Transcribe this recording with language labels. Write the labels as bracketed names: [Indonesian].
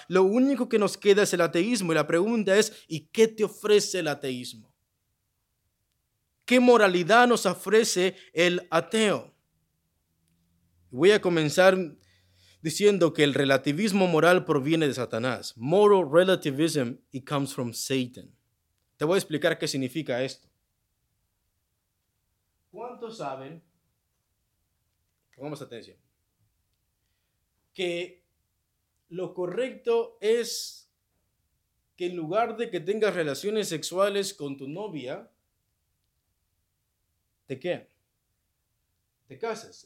[Spanish] Lo único que nos queda es el ateísmo. Y la pregunta es, ¿y qué te ofrece el ateísmo? ¿Qué moralidad nos ofrece el ateo? Voy a comenzar diciendo que el relativismo moral proviene de Satanás. [English] Moral relativism, it comes from Satan. [Spanish] Te voy a explicar qué significa esto. ¿Cuántos saben? Pongamos atención. Que lo correcto es que en lugar de que tengas relaciones sexuales con tu novia, ¿te qué? Te cases.